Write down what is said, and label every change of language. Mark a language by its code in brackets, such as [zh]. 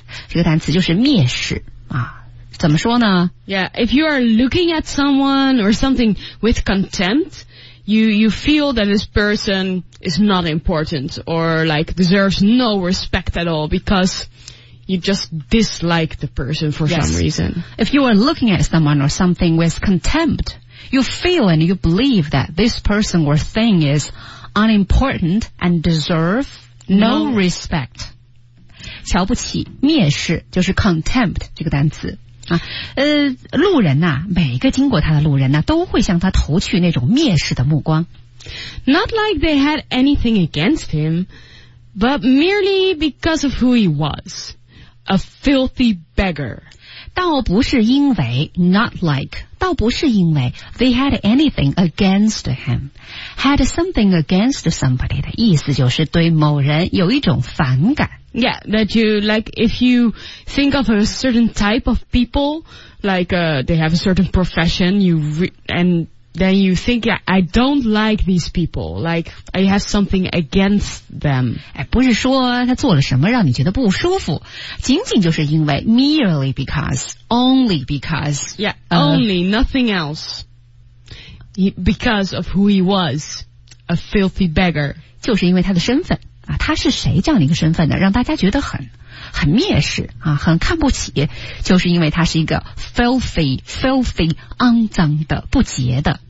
[zh] 这个单词就是蔑视啊，怎么说呢 [en] ？Yeah, if you are looking at someone or something with contempt, you feel that this person is not important or like deserves no respect at all because you just dislike the person for、 yes. some reason. If you are looking at someone or something with contempt, you feel and you believe that this person or thing is unimportant and deserve no respect. [zh] 瞧不起蔑视就是 contempt 这个单词、啊、路人呐、啊，每个经过他的路人呐、啊，都会向他投去那种蔑视的目光 [en] not like they had anything against him but merely because of who he was a filthy beggar [zh] 倒不是因为 [en] not like [zh] 倒不是因为 [en] they had anything against him had something against somebody [zh] 的意思就是对某人有一种反感 [en] Yeah, that you, like, if you think of a certain type of people, like, they have a certain profession, and then you think, yeah, I don't like these people, like, I have something against them. [zh] 哎，不是说他做了什么让你觉得不舒服，仅仅就是因为 [en] merely because, only because. Yeah, only, nothing else. Because of who he was, a filthy beggar. [zh] 就是因为他的身份。啊、他是谁这样的一个身份呢让大家觉得很蔑视、啊、很看不起就是因为他是一个 filthy 肮脏的不洁的